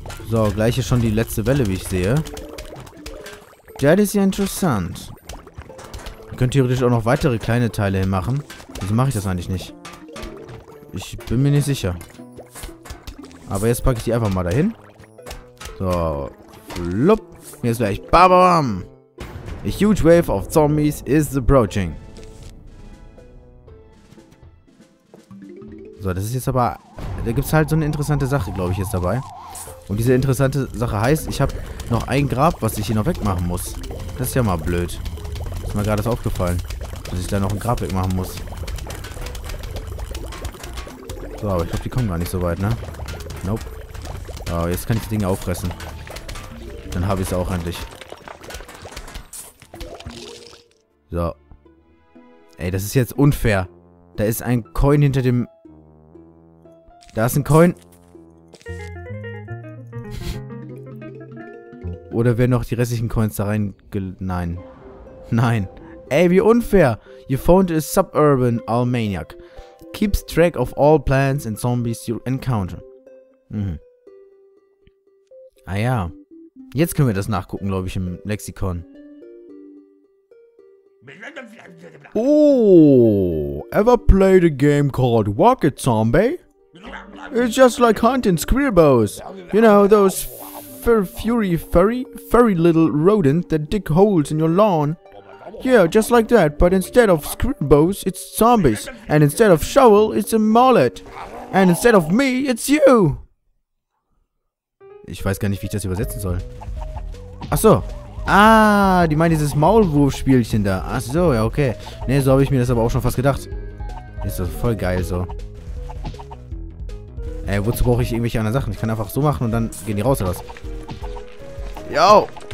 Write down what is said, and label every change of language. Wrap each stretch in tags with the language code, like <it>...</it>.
<de>So, gleich ist schon die letzte Welle, wie ich sehe. Das ist ja interessant. Ich könnte theoretisch auch noch weitere kleine Teile hinmachen. Wieso mache ich das eigentlich nicht? Ich bin mir nicht sicher. Aber jetzt packe ich die einfach mal dahin. So. Flup. Jetzt gleich. Babam.</de> <en>A huge wave of zombies is approaching.</en> <de>So, das ist jetzt aber... Da gibt es halt so eine interessante Sache, glaube ich, jetzt dabei. Und diese interessante Sache heißt, ich habe noch ein Grab, was ich hier noch wegmachen muss. Das ist ja mal blöd. Ist mir gerade aufgefallen, dass ich da noch ein Grab wegmachen muss. So, aber ich glaube, die kommen gar nicht so weit, ne? Nope. Oh, jetzt kann ich die Dinge auffressen. Dann habe ich es auch endlich. So. Ey, das ist jetzt unfair. Da ist ein Coin hinter dem... Da ist ein Coin... Oder werden noch die restlichen Coins da rein... Nein. Nein. Ey, wie unfair.</de> <en>You found a suburban Almaniac. Keeps track of all plants and zombies you encounter.</en> <de>Mhm. Ah ja. Jetzt können wir das nachgucken, glaube ich, im Lexikon.</de> <en>Oh, ever played a game called Rocket Zombie? It's just like hunting squirrels. You know, those furry little rodents that dig holes in your lawn. Yeah, just like that, but instead of squirrels, it's zombies. And instead of shovel, it's a mallet. And instead of me, it's you.</en> <de>Ich weiß gar nicht, wie ich das übersetzen soll. Ach so. Ah, die meinen dieses Maulwurfspielchen da. Ach so, ja, okay. Ne, so habe ich mir das aber auch schon fast gedacht. Ist das voll geil so. Ey, wozu brauche ich irgendwelche anderen Sachen? Ich kann einfach so machen und dann gehen die raus oder was? Yo!</de>